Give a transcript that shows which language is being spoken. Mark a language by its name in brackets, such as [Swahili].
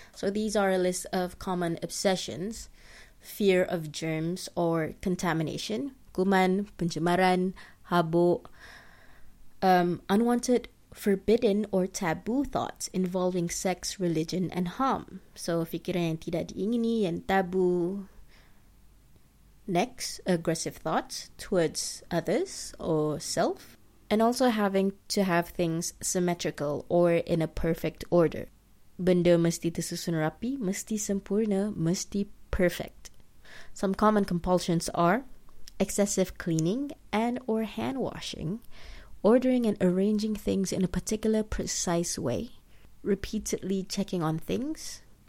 [English] So these are a list of common obsessions: fear of germs or contamination, [Malay] kuman, pencemaran, habuk, [English] unwanted, forbidden or taboo thoughts involving sex, religion and harm. [Malay] So fikiran yang tidak diingini yang tabu. [English] Next, aggressive thoughts towards others or self. And also having to have things symmetrical or in a perfect order. [Malay] Benda mesti tersusun rapi, mesti sempurna, mesti perfect. [English] Some common compulsions are excessive cleaning and or hand washing, ordering and arranging things in a particular precise way, repeatedly checking on things.